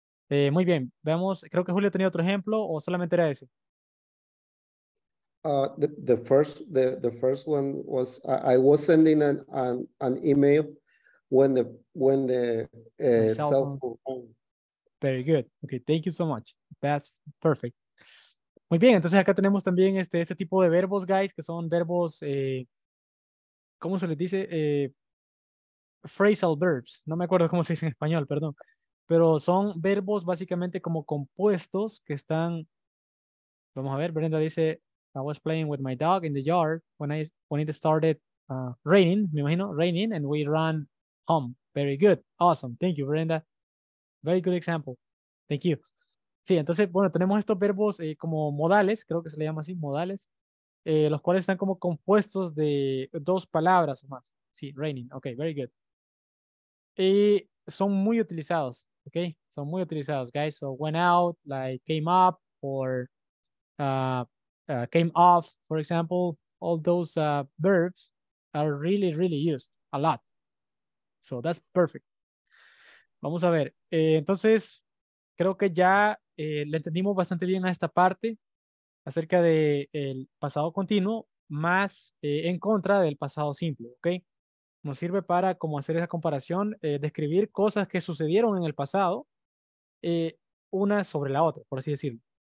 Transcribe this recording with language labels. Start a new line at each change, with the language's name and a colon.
Spanish: Muy bien, vemos, creo que Julio tenía otro ejemplo o solamente era ese.
English: The first one was, I was sending an email when the cell phone. Very good. Okay, thank you so much. That's perfect.
Spanish: Muy bien, entonces acá tenemos también este tipo de verbos, guys, que son verbos, ¿cómo se les dice? Phrasal verbs. No me acuerdo cómo se dice en español, perdón. Pero son verbos básicamente como compuestos que están, vamos a ver, Brenda dice,
English: I was playing with my dog in the yard when it started raining,
Spanish: me imagino,
English: raining, and we ran home. Very good. Awesome. Thank you, Brenda. Very good example. Thank you.
Spanish: Sí, entonces, bueno, tenemos estos verbos como modales, creo que se le llama así, modales, los cuales están como compuestos de dos palabras o más. Sí,
English: raining. Okay, very good.
Spanish: Y son muy utilizados, okay? Son muy utilizados,
English: guys. So, went out, like, came up, or came off, for example. All those verbs are really, really used a lot. So that's perfect.
Spanish: Vamos a ver. Entonces, creo que ya le entendimos bastante bien a esta parte acerca de el pasado continuo más en contra del pasado simple, ¿ok? Nos sirve para, como hacer esa comparación, describir cosas que sucedieron en el pasado una sobre la otra, por así decirlo.